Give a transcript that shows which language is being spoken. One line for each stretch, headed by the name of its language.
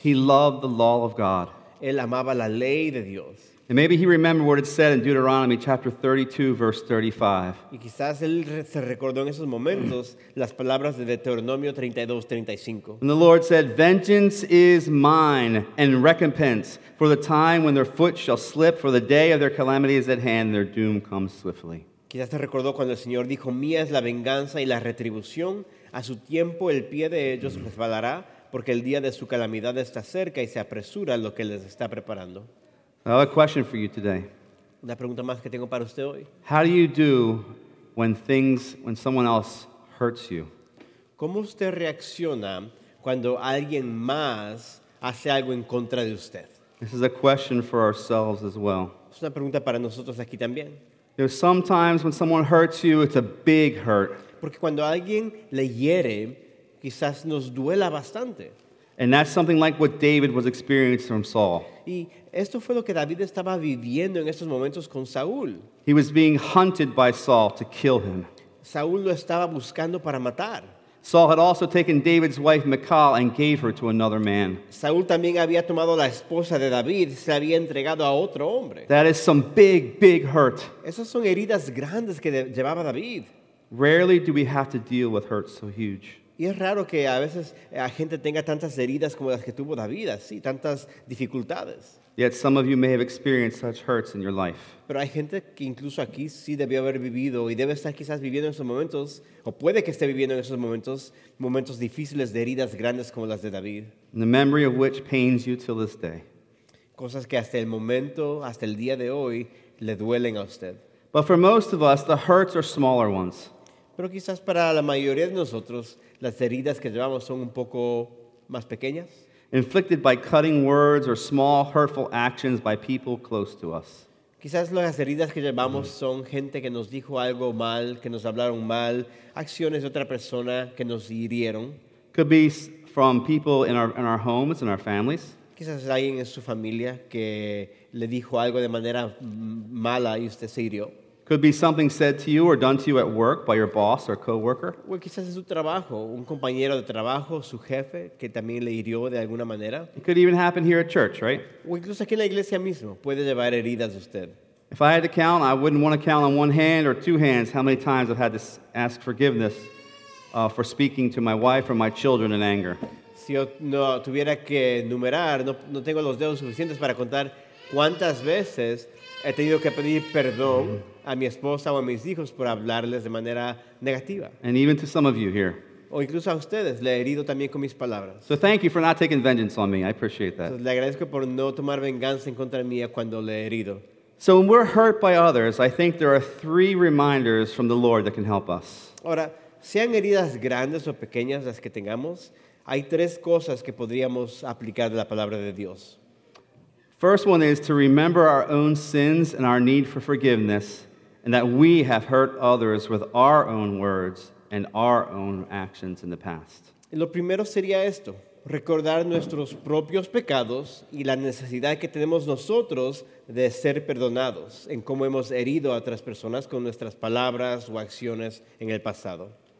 English: He loved the law of God.
Spanish: Él amaba la ley de Dios.
English: And maybe he remembered what it said in Deuteronomy chapter 32, verse 35.
Spanish: Y quizás él se recordó en esos momentos las palabras de Deuteronomio 32, 35.
English: And the Lord said, "Vengeance is mine, and recompense for the time when their foot shall slip, for the day of their calamity is at hand, and their doom comes swiftly."
Spanish: Quizás se recordó cuando el Señor dijo, "Mía es la venganza y la retribución, a su tiempo el pie de ellos resbalará, porque el día de su calamidad está cerca y se apresura lo que les está preparando."
English: I have a question for you today.
Spanish: Una pregunta más que tengo para usted hoy.
English: How do you do when someone else hurts you?
Spanish: ¿Cómo usted reacciona cuando alguien más hace algo en contra de usted?
English: This is a question for ourselves as well.
Spanish: Es una pregunta para nosotros aquí también.
English: There's sometimes when someone hurts you, it's a big hurt.
Spanish: Porque cuando alguien le hiere, quizás nos duela bastante.
English: And that's something like what David was experiencing from Saul.
Spanish: Y esto fue lo que David estaba viviendo en estos momentos con Saúl.
English: He was being hunted by Saul to kill him.
Spanish: Saúl lo estaba buscando para matar.
English: Saul had also taken David's wife Michal and gave her to another man.
Spanish: Saúl también había tomado la esposa de David, se había entregado a otro hombre.
English: That is some big, big hurt.
Spanish: Esas son heridas grandes que llevaba David.
English: Rarely do we have to deal with hurts so huge.
Spanish: Y es raro que a veces la gente tenga tantas heridas como las que tuvo David, así, tantas dificultades.
English: Yet some of you may have experienced such hurts in your life.
Spanish: Pero hay gente que incluso aquí sí debió haber vivido y debe estar quizás viviendo en esos momentos, o puede que esté viviendo en esos momentos, momentos difíciles de heridas grandes como las de David.
English: The memory of which pains you till this day.
Spanish: Cosas que hasta el momento, hasta el día de hoy, le duelen a usted.
English: But for most of us, the hurts are smaller ones.
Spanish: Pero quizás para la mayoría de nosotros, las heridas que llevamos son un poco más pequeñas.
English: Inflicted by cutting words or small hurtful actions by people close to us.
Spanish: Quizás las heridas que llevamos son gente que nos dijo algo mal, que nos hablaron mal, acciones de otra persona que nos hirieron.
English: Could be from people in our homes, in our families.
Spanish: Quizás alguien en su familia que le dijo algo de manera mala y usted se hirió.
English: Could be something said to you or done to you at work by your boss or coworker.
Spanish: O quizás es su trabajo, un compañero de trabajo, su jefe, que también le hirió de alguna manera.
English: It could even happen here at church, right?
Spanish: O incluso aquí en la iglesia mismo puede llevar heridas de usted.
English: If I had to count, I wouldn't want to count on one hand or two hands how many times I've had to ask forgiveness for speaking to my wife or my children in anger.
Spanish: Si yo no tuviera que numerar, no tengo los dedos suficientes para contar cuántas veces he tenido que pedir perdón a mi esposa o a mis hijos por hablarles de manera negativa.
English: And even to some of you here.
Spanish: O incluso a ustedes, le he herido también con mis palabras.
English: So thank you for not taking vengeance on me. I appreciate that.
Spanish: Le agradezco por no tomar venganza en contra mía cuando le he herido.
English: So when we're hurt by others, I think there are three reminders from the Lord that can help us.
Spanish: Ahora, sean heridas grandes o pequeñas las que tengamos, hay tres cosas que podríamos aplicar de la palabra de Dios.
English: First one is to remember our own sins and our need for forgiveness, and that we have hurt others with our own words and our own actions in the past.
Spanish: Lo primero sería esto, recordar nuestros propios pecados y la necesidad que tenemos nosotros de ser perdonados en cómo hemos herido a otras personas con nuestras palabras o acciones en el pasado.